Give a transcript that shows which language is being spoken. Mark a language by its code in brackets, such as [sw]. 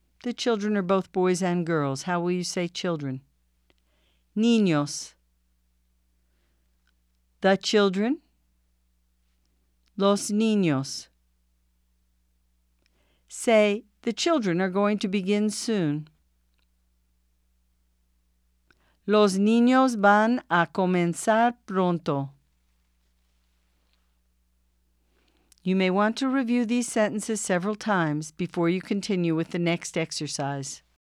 [en] The children are both boys and girls. How will you say children? Niños. The children. [es] Los niños. [en] Say, the children are going to begin soon. [es] Los niños van a comenzar pronto. [en] You may want to review these sentences several times before you continue with the next exercise.